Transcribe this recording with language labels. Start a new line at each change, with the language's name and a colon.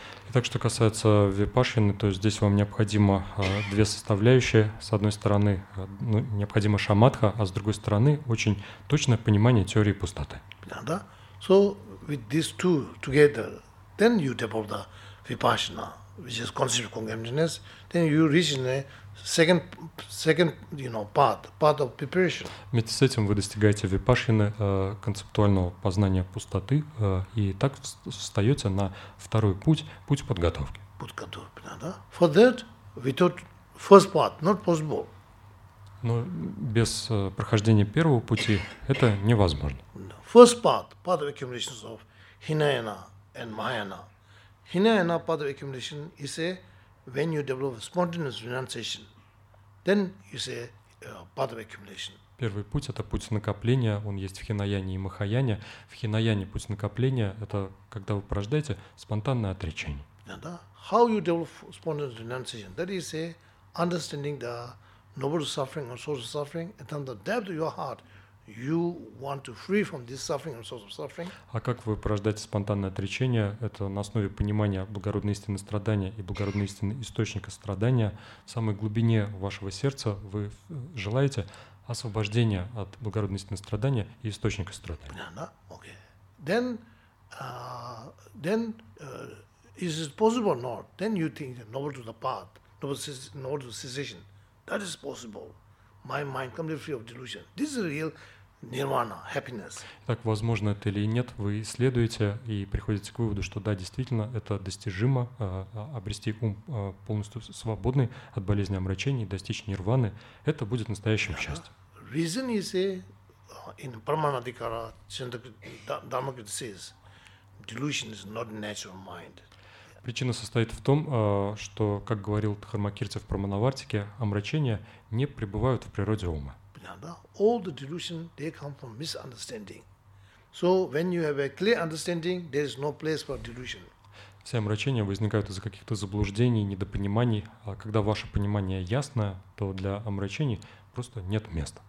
Russian: Итак, что касается випашины, то здесь вам необходимо две составляющие. С одной стороны, необходима шамадха, а с другой стороны, очень точное понимание теории пустоты. Да?
English: So with these two together, then you develop the vipassana, which is conceptual cognitive emptiness. Then you reach in a second, you know, part of preparation.
Russian: Вместе с этим вы достигаете випашины концептуального познания пустоты и так встаете на второй путь подготовки. Подготовки, да?
English: For that, without first part, not possible.
Russian: Но без прохождения первого пути это невозможно.
English: First part of accumulation of Hinayana and Mahayana. Hinayana part of accumulation is a when you develop spontaneous renunciation. Then you say part of accumulation.
Russian: Первый путь – это путь накопления, он есть в хинаяне и махаяне. В хинаяне путь накопления – это когда вы порождаете спонтанное отречение.
English: Yeah, how you develop spontaneous renunciation? That is, understanding the noble suffering and source of suffering, and from the depth of your heart, you want to free from this suffering and source of suffering.
Russian: А как вы порождаете спонтанное отречение? Это на основе понимания благородной истины страдания и благородной истины источника страдания. В самой глубине вашего сердца вы желаете освобождения от благородной истины страдания и источника страдания.
English: Yeah, no? Okay. Then, is it possible or not? Then you think that noble to the path, noble to cessation. That is possible. My mind completely free of delusion. This is real nirvana, happiness.
Russian: Так возможно это или нет, вы исследуете и приходите к выводу, что да, действительно, это достижимо, обрести ум полностью свободный от болезни омрачений, достичь нирваны, это будет настоящим счастьем.
English: Reason is in Paramanadikara, Dharmakrita says, delusion is not natural mind.
Russian: Причина состоит в том, что, как говорил Дхармакирти в Прамановартике, омрачения не пребывают в природе ума.
English: All the delusion, they come from misunderstanding. So when you have a clear understanding, there is no place for delusion.
Russian: Все омрачения возникают из-за каких-то заблуждений, недопониманий. А когда ваше понимание ясно, то для омрачений просто нет места.